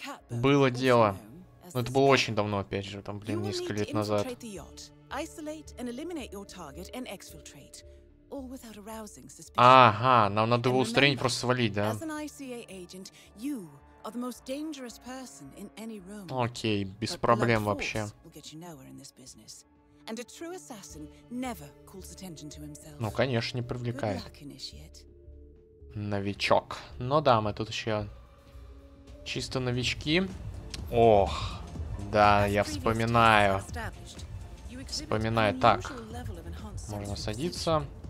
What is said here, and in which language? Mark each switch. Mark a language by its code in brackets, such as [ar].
[ru] Было дело. Но это было очень давно, опять же, там, блин, несколько лет назад. [en] Isolate and eliminate your target and exfiltrate, all without arousing suspicion. [ru] Ага, нам надо его устранить, просто свалить, да? [en] As an ICA agent, you are the most dangerous person in any room. [ru] Окей, без проблем вообще. [en] Will get you nowhere in this business. And a true assassin never calls attention to himself. [ru] Ну, конечно, не привлекает. [en] Good luck, initiate. [ru] Новичок. Ну да, мы тут еще чисто новички. Ох, да, я вспоминаю. Вспоминая так, можно садиться.